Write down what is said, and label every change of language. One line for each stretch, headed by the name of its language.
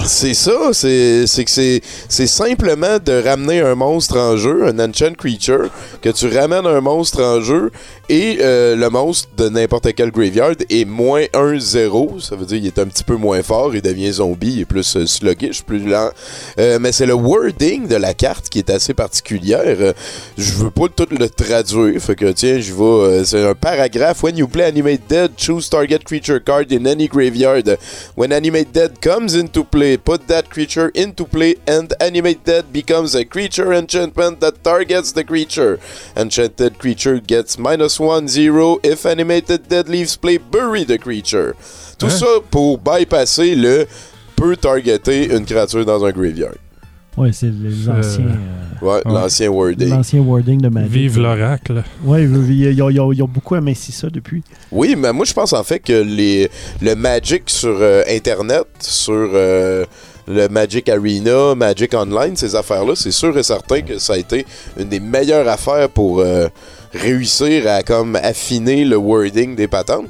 French: C'est ça, c'est simplement de ramener un monstre en jeu, un Ancient Creature, que tu ramènes un monstre en jeu, et le monstre de n'importe quel graveyard est -1/0, ça veut dire qu'il est un petit peu moins fort, il devient zombie, il est plus sluggish, plus lent. Mais c'est le wording de la carte qui est assez particulière. Je veux pas tout le traduire, fait que tiens, je vais... c'est un paragraphe.
English: « When you play Animate Dead, choose target creature card in any graveyard. When Animate Dead comes into play, put that creature into play and Animate Dead becomes a creature enchantment that targets the creature. Enchanted creature gets -1/0 if Animated Dead leaves play, bury the creature.
French: Hein? » Tout ça pour bypasser le « peut targeter une créature dans un graveyard. » Ouais, c'est les anciens... L'ancien wording. L'ancien wording de ma vie. Vive l'oracle. Oui, ils ont beaucoup aminci ça depuis. Oui, mais moi, je pense en fait que le Magic sur Internet, sur le Magic Arena, Magic Online, ces affaires-là, c'est sûr et certain que ça a été une des meilleures affaires pour réussir à comme affiner le wording des patentes.